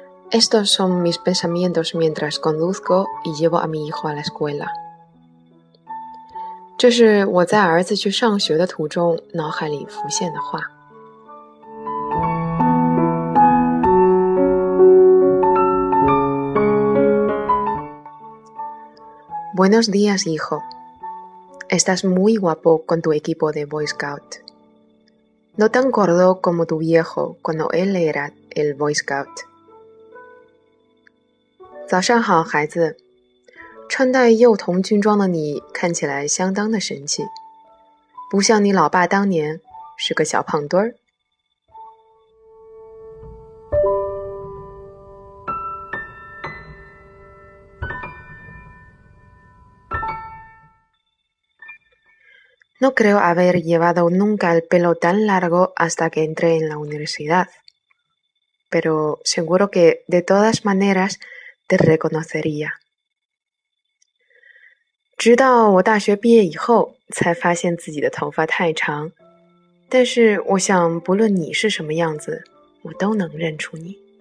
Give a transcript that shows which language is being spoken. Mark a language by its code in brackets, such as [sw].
[es] Estos son mis pensamientos mientras conduzco y llevo a mi hijo a la escuela. [zh] 这是我在儿子去上学的途中脑海里浮现的话。 [es] Buenos días, hijo. Estás muy guapo con tu equipo de Boy Scout. No tan gordo como tu viejo cuando él era el Boy Scout. [zh] 早上好，孩子。穿戴幼童军装的你看起来相当的神气，不像你老爸当年是个小胖墩儿。 [es] No creo haber llevado nunca el pelo tan largo hasta que entré en la universidad, pero seguro que de todas maneras. Te reconocería. [zh] 直到我大学毕业以后，才发现自己的头发太长，但是我想，不论你是什么样子，我都能认出你。